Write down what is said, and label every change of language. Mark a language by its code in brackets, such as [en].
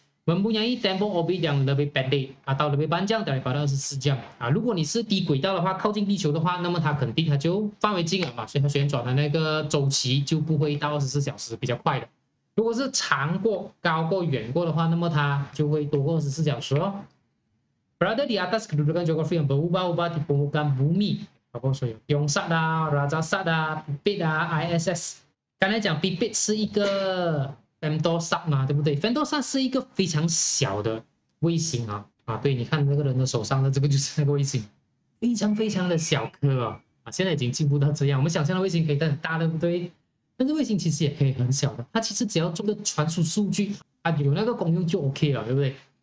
[ms] Mempunyai tempoh orbit yang lebih pendek atau lebih panjang daripada 24 jam. [zh] 啊，如果你是低轨道的话，靠近地球的话，那么它肯定它就范围近了嘛，所以它旋转的那个周期就不会到24小时，比较快的。如果是长过、高过、远过的话，那么它就会多过24小时哦。 [ms] Berada di atas kedudukan geografi yang berubah-ubah di permukaan bumi。 [zh] 包括说有 Yongsat 啊、Rajasat 啊、Pipit 啊、ISS。刚才讲 Pipit 是一个 Femtosat 嘛，对不对？Femtosat 是一个非常小的卫星啊。啊，对，你看那个人的手上的这个就是那个卫星，非常非常的小颗啊。啊，现在已经进步到这样，我们想象的卫星可以很大，对不对？但是卫星其实也可以很小的，它其实只要做个传输数据啊，有那个功用就 OK 了，对不对？